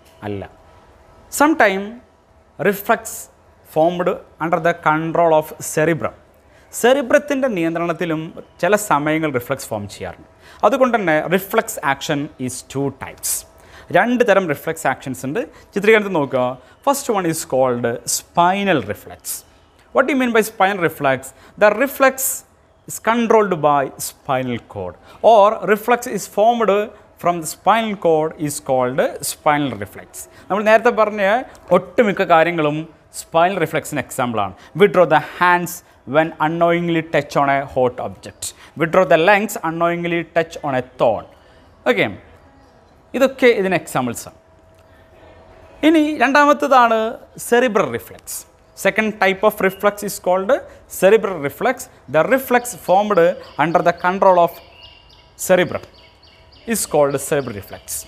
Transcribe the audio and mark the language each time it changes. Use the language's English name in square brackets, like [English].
[English] അല്ല, some time reflex formed under the control of cerebrum. [Malayalam] സെറിബ്രത്തിൻ്റെ നിയന്ത്രണത്തിലും ചില സമയങ്ങൾ റിഫ്ലക്സ് ഫോം ചെയ്യാറുണ്ട്. അതുകൊണ്ട് തന്നെ [English] Reflex action is two types. [Malayalam] രണ്ട് തരം റിഫ്ലക്സ് ആക്ഷൻസ് ഉണ്ട്. ചിത്രീകരണത്തിൽ നോക്കുക, [English] First one is called spinal reflex. What you mean by spinal reflex? The reflex is controlled by spinal cord, or reflex is formed from the spinal cord is called spinal reflex. [Malayalam] നമ്മൾ നേരത്തെ പറഞ്ഞ ഒട്ടുമിക്ക കാര്യങ്ങളും spinal reflex ന് example ആണ്. [English] withdraw the hands when unknowingly touch on a hot object, withdraw the legs unknowingly touch on a thorn. [Malayalam] Okay, ഇതൊക്കെ ഇതിന് examples ആണ്. ഇനി രണ്ടാമത്തേതാണ് cerebral reflex. [English] Second type of reflex is called cerebral reflex. The reflex formed under the control of cerebrum is called cerebral reflex.